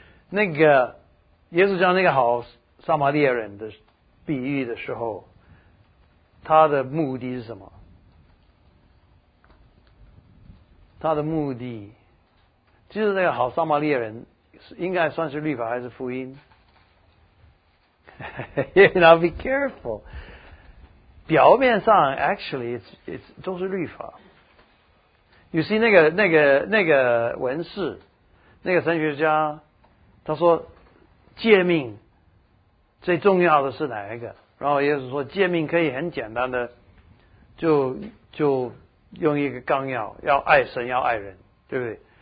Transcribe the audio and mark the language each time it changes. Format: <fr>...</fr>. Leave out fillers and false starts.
<zh>那个耶稣讲那个好撒玛利亚人的比喻的时候，他的目的是什么？他的目的其实那个好撒玛利亚人应该算是律法还是福音？</zh> <en>Now be careful,</en> <zh>表面上</zh> <en>actually it's</en> <zh>都是律法。</zh> <en>You see</en> <zh>那个文士那个神学家他说诫命最重要的是哪一个，然后耶稣说诫命可以很简单的就用一个纲要，要爱神要爱人，对不对？</zh>